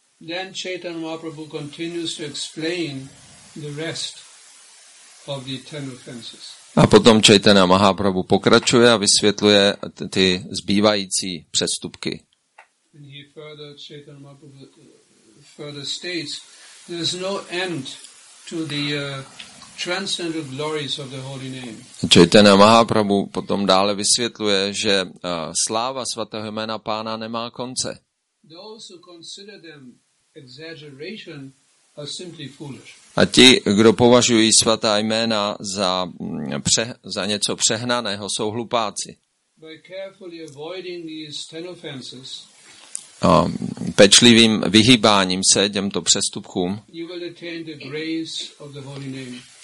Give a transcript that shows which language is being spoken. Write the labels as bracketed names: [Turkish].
[English] Then Chaitanya Mahaprabhu continues to explain the rest of the ten offenses. [Czech] A potom Chaitanya Mahaprabhu pokračuje a vysvětluje ty zbývající přestupky. [English] And he further, Chaitanya Mahaprabhu further states, there is no end to the transcendental glories of the holy name. [Czech] Chaitanya Mahaprabhu potom dále vysvětluje, že sláva svatého jména Pána nemá konce. [English] Those who consider them exaggeration are simply foolish. [Czech] A ti, kdo považují svatá jména za něco přehnaného, jsou hlupáci. [English] By carefully avoiding these ten offenses, [Czech] pečlivým vyhýbáním se těmto přestupkům, [English] you will attain the grace of the holy name.